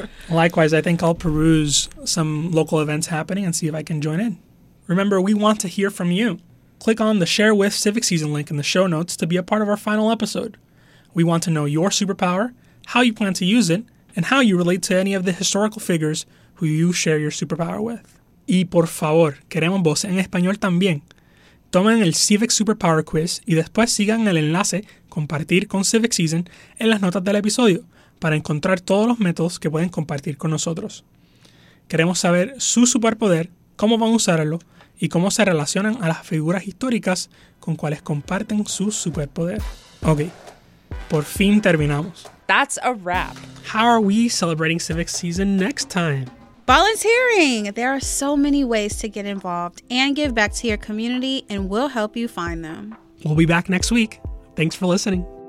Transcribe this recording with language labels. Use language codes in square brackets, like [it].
[en] Likewise, I think I'll peruse some local events happening and see if I can join in. Remember, we want to hear from you. Click on the Share With Civic Season link in the show notes to be a part of our final episode. We want to know your superpower, how you plan to use it, and how you relate to any of the historical figures who you share your superpower with. [es] Y por favor, queremos voces en español también. Tomen el Civic Superpower Quiz y después sigan el enlace Compartir con Civic Season en las notas del episodio para encontrar todos los métodos que pueden compartir con nosotros. Queremos saber su superpoder, cómo van a usarlo y cómo se relacionan a las figuras históricas con cuales comparten su superpoder. Ok, por fin terminamos. [en] That's a wrap. How are we celebrating Civic Season next time? Volunteering! There are so many ways to get involved and give back to your community, and we'll help you find them. We'll be back next week. Thanks for listening.